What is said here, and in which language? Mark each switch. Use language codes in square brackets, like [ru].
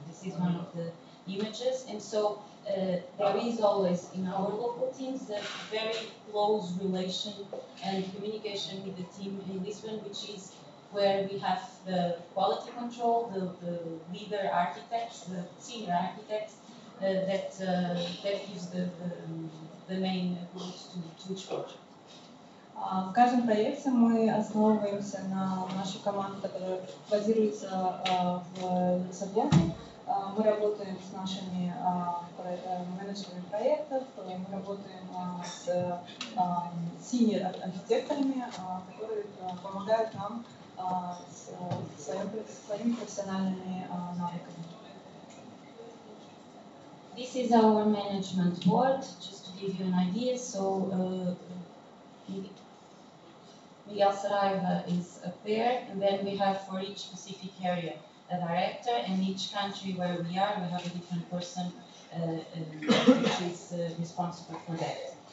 [en] This is one of the images, and so there is always in our local teams a very close relation and communication with the team in Lisbon, which is where we have the quality control, the leader architects, the senior architects that gives the main approach to each project. [ru] В каждом проекте мы основываемся на нашу команду, которая базируется в Лиссабоне. Мы работаем с нашими менеджерами проектов, мы работаем с синьор-архитекторами, которые помогают нам с своими профессиональными навыками. [en] This is our management board, just to give you an idea. So, Miguel Saraiva is up there, and then we have for each specific area a director, and each country where we are, we have a different person which is responsible for that.